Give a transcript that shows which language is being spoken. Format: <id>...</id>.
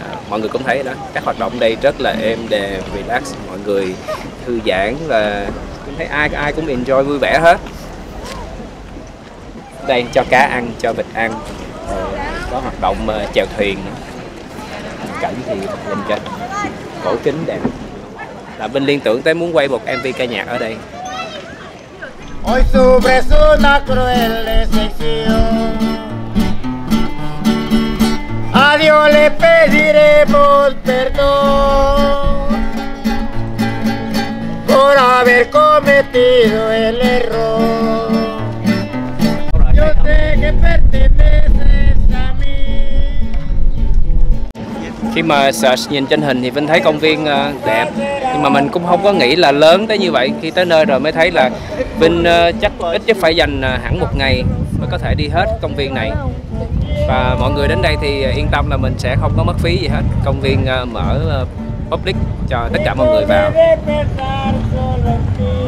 <vi>Mọi người cũng thấy đó, các hoạt động đây rất là êm đềm, relax, mọi người thư giãn và cũng thấy ai cũng enjoy vui vẻ hết. Đây cho cá ăn, cho vịt ăn, có hoạt động chèo thuyền, cảnh thì lên trên, cổ kính đẹp. Là mình liên tưởng tới muốn quay một MV ca nhạc ở đây.</vi> <es>Hoy su beso una cruel decepción. A Dios le pediremos perdón por haber cometido el error. Yo sé que perteneces a mí.</es> <vi>Khi mà search nhìn trên hình thì Vinh thấy công viên đẹp, nhưng mà mình cũng không có nghĩ là lớn tới như vậy. Khi tới nơi rồi mới thấy là Vinh chắc ít nhất phải dành hẳn một ngày mới có thể đi hết công viên này. Và mọi người đến đây thì yên tâm là mình sẽ không có mất phí gì hết. Công viên mở public cho tất cả mọi người vào.</vi>